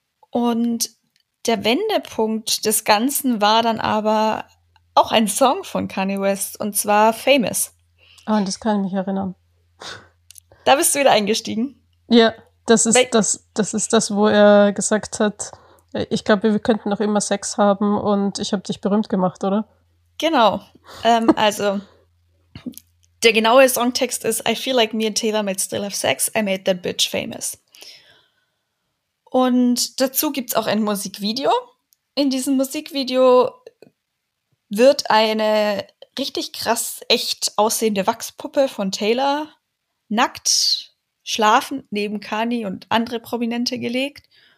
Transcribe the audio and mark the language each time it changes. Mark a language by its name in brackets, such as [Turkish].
[German] Und der Wendepunkt des Ganzen war dann aber auch ein Song von Kanye West, und zwar Famous. Ah, oh, das kann ich mich erinnern. Da bist du wieder eingestiegen. Ja, das ist das, wo er gesagt hat, ich glaube, wir könnten noch immer Sex haben und ich habe dich berühmt gemacht, oder? Genau. [English] Also, der genaue Songtext ist, I feel like me and Taylor might still have sex, I made that bitch famous. [German] Und dazu gibt es auch ein Musikvideo. In diesem Musikvideo wird eine richtig krass echt aussehende Wachspuppe von Taylor nackt schlafend neben Kanye und andere Prominente gelegt.